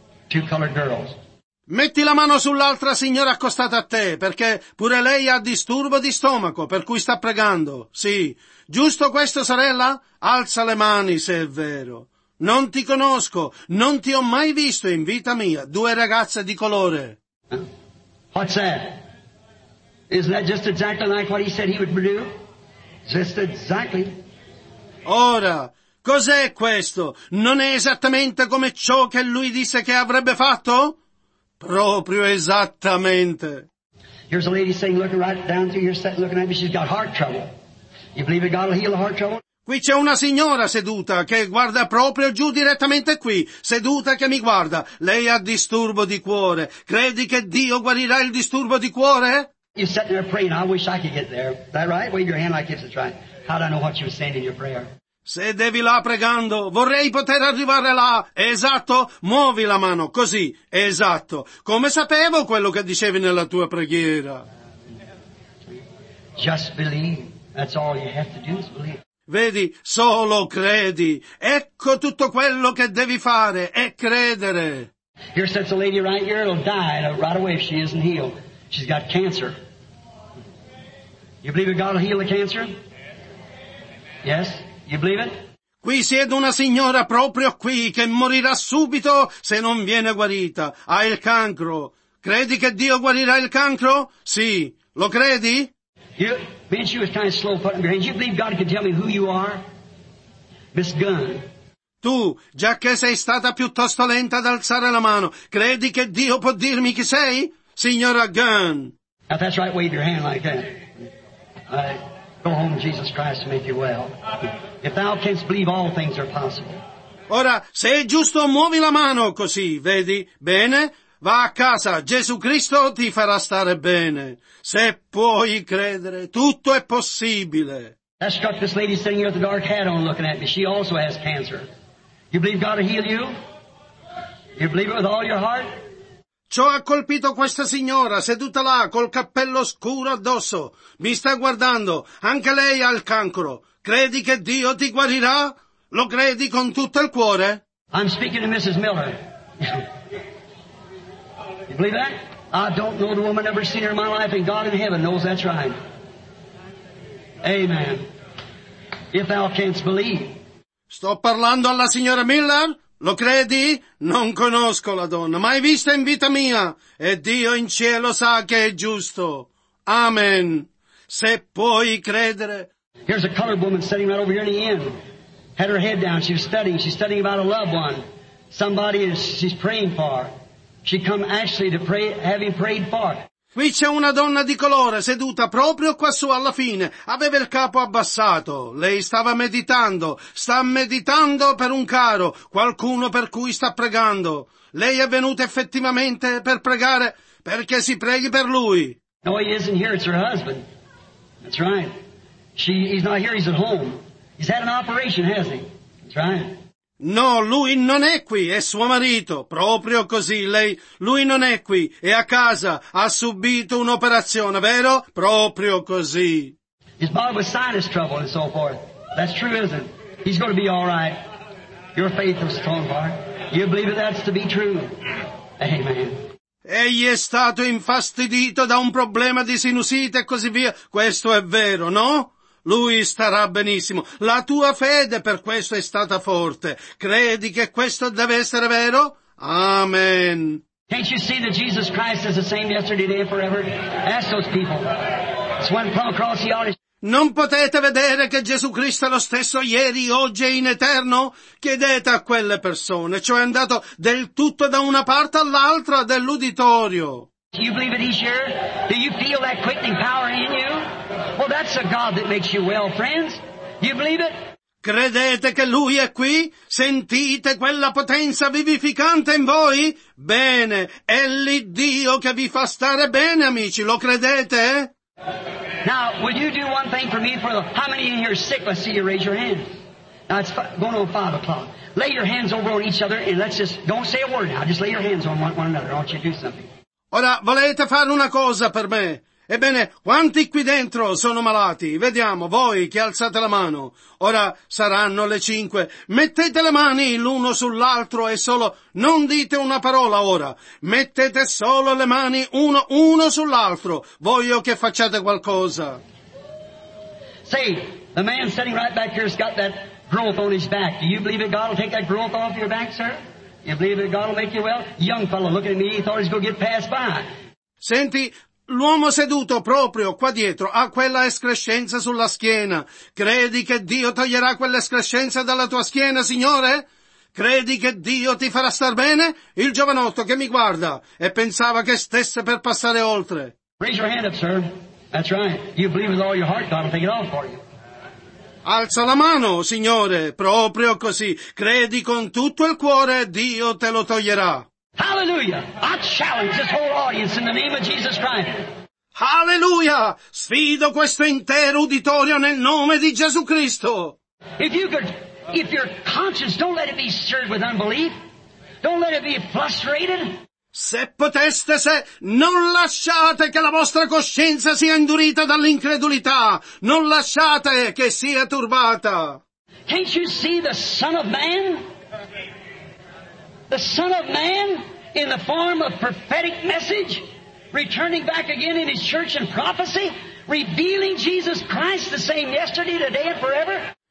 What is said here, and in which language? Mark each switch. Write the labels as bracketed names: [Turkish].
[English] Two colored girls. [Italian] Metti la mano sull'altra signora accostata a te, perché pure lei ha disturbo di stomaco, per cui sta pregando. Sì, giusto questo, sorella? Alza le mani, se è vero. Non ti conosco, non ti ho mai visto in vita mia, due ragazze di colore. [English] What's that? Isn't that just exactly like what he said he would do? Just exactly. [Italian] Ora, cos'è questo? Non è esattamente come ciò che lui disse che avrebbe fatto? Proprio esattamente. [English] Here's a lady sitting looking right down through your set looking at me. She's got heart trouble. You believe that God will heal the heart trouble? [Italian] Qui c'è una signora seduta che guarda proprio giù direttamente qui. Seduta che mi guarda. Lei ha disturbo di cuore. Credi che Dio guarirà il disturbo di cuore? [English] You're sitting there praying. I wish I could get there. Is that right? Wave your hand like this. That's right. How do I know what you were saying in your prayer? [Italian] Sedevi là pregando, vorrei poter arrivare là, esatto, muovi la mano, così, esatto, come sapevo quello che dicevi nella tua preghiera. [English] Just believe, that's all you have to do is believe. [Italian] Vedi, solo credi, ecco tutto quello che devi fare, è credere. [English] Here sits a lady right here, it'll die right away if she isn't healed. She's got cancer. You believe that God will heal the cancer? Yes? You believe it? [Italian] Qui siede una signora proprio qui che morirà subito se non viene guarita. Ha il cancro. Credi che Dio guarirà il cancro? Sì. Lo credi? [English] You, being she was kind of slow putting your hands, you believe God can tell me who you are? Miss Gunn. [Italian] Tu, già che sei stata piuttosto lenta ad alzare la mano, credi che Dio può dirmi chi sei? Signora Gunn. [English] Now that's right, wave your hand like that. Go home, Jesus Christ, to make you well. If thou canst believe, all things are possible. [Italian] Ora, se è giusto, muovi la mano così, vedi? Bene? Va a casa, Gesù Cristo ti farà stare bene. Se puoi credere, tutto è possibile. [English] I struck this lady sitting here with a dark hat on looking at me. She also has cancer. You believe God will heal you? You believe it with all your heart? [Italian] Ciò ha colpito questa signora, seduta là, col cappello scuro addosso. Mi sta guardando. Anche lei ha il cancro. Credi che Dio ti guarirà? Lo credi con tutto il cuore? [English] I'm speaking to Mrs. Miller. You believe that? I don't know the woman I've ever seen her in my life, and God in heaven knows that's right. Amen. If thou canst believe. [Italian] Sto parlando alla signora Miller? Lo credi? Non conosco la donna, mai vista in vita mia, e Dio in cielo sa che è giusto. Amen. Se puoi credere. [English] Here's a colored woman sitting right over here in the end. Had her head down, she was studying. She's studying about a loved one. Somebody she's praying for. She come actually to pray, having prayed for. [Italian] Qui c'è una donna di colore seduta proprio quassù alla fine. Aveva il capo abbassato. Lei stava meditando. Sta meditando per un caro, qualcuno per cui sta pregando. Lei è venuta effettivamente per pregare perché si preghi per lui. [English] No, he isn't here. It's her husband. That's right. He's not here. He's at home. He's had an operation, has he? That's right. [Italian] No, lui non è qui, è suo marito, proprio così, lui non è qui, è a casa, ha subito un'operazione, vero? Proprio così. [English] He's bothered with sinus trouble and so forth. That's true, isn't it? He's going to be all right. Your faith is strong, Bart. You believe that that's to be true? Amen. [Italian] Egli è stato infastidito da un problema di sinusite e così via, questo è vero, no? Lui starà benissimo. La tua fede per questo è stata forte. Credi che questo deve essere vero? Amen. [English] Can't you see that Jesus Christ is the same yesterday, today, and forever? Ask those people. It's when Paul crossed the altar. [Italian] Non potete vedere che Gesù Cristo è lo stesso ieri, oggi e in eterno? Chiedete a quelle persone, cioè andato del tutto da una parte all'altra dell'uditorio. [English] Do you believe that he's here? Do you feel that quickening power in you? Well, that's a God that makes you well, friends. Do you believe it? [Italian] Credete che Lui è qui? Sentite quella potenza vivificante in voi? Bene, è l'Iddio che vi fa stare bene, amici, lo credete? [English] Now, will you do one thing for me? How many in here are sick? Let's see you raise your hands. Now, it's going on 5 o'clock. Lay your hands over on each other and let's just, don't say a word now, just lay your hands on one another. I want you to do something. [Italian] Ora, volete fare una cosa per me? Ebbene, quanti qui dentro sono malati? Vediamo, voi che alzate la mano. Ora saranno le 5. Mettete le mani l'uno sull'altro e solo, non dite una parola ora. Mettete solo le mani uno sull'altro. Voglio che facciate qualcosa. [English] See, the man sitting right back here has got that growth on his back. Do you believe that God will take that growth off your back, sir? You believe that God will make you well? Young fellow looking at me, he thought he's going to get passed by. [Italian] Senti, l'uomo seduto proprio qua dietro ha quella escrescenza sulla schiena. Credi che Dio toglierà quell'escrescenza dalla tua schiena, Signore? Credi che Dio ti farà star bene? Il giovanotto che mi guarda e pensava che stesse per passare oltre. [English] Raise your hand up, sir. That's right. You believe with all your heart, God will take it off for you. [Italian] Alza la mano, Signore, proprio così. Credi con tutto il cuore, Dio te lo toglierà. [English] Hallelujah! I challenge this whole audience in the name of Jesus Christ. Hallelujah! [Italian] Sfido questo intero uditorio nel nome di Gesù Cristo. [English] If your conscience, don't let it be stirred with unbelief. Don't let it be frustrated. [Italian] Se poteste, se non lasciate che la vostra coscienza sia indurita dall'incredulità, non lasciate che sia turbata. [English] Can't you see the Son of Man? The Son of Man in the form of prophetic message, returning back again in His church and prophecy, revealing Jesus Christ the same yesterday, today and forever?